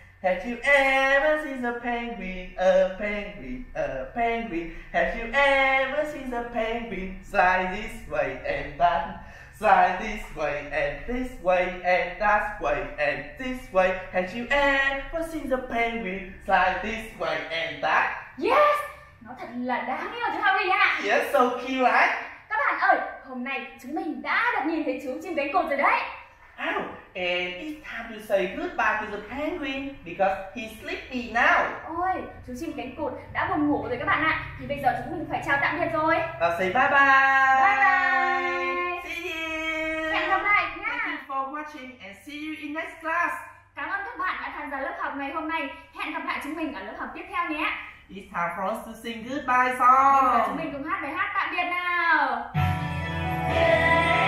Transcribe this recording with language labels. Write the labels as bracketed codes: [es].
[en] Have you ever seen a penguin? A penguin, a penguin. Have you ever seen a penguin fly this way and that? Fly this way and this way and that way and this way. Have you ever seen a penguin fly this way and that? Yes! [vi] Nó thật là đáng yêu chứ Harry ạ. [en] Yes, so cute, right? [vi] Các bạn ơi, hôm nay chúng mình đã được nhìn thấy chú chim cánh cụt rồi đấy. [en] Oh, and it's time to say goodbye to the penguin because he's sleepy now. [vi] Ôi, chú chim cánh cụt đã buồn ngủ rồi các bạn ạ. Thì bây giờ chúng mình phải chào tạm biệt rồi. [en] Và say bye bye. Bye bye. See you. [vi] Hẹn gặp lại nha. [en] Thank you for watching and see you in next class. [vi] Cảm ơn các bạn đã tham gia lớp học ngày hôm nay. Hẹn gặp lại chúng mình ở lớp học tiếp theo nhé. [en] It's time for us to sing goodbye song. [vi] Và chúng mình cùng hát bài hát tạm biệt nào. Yeah.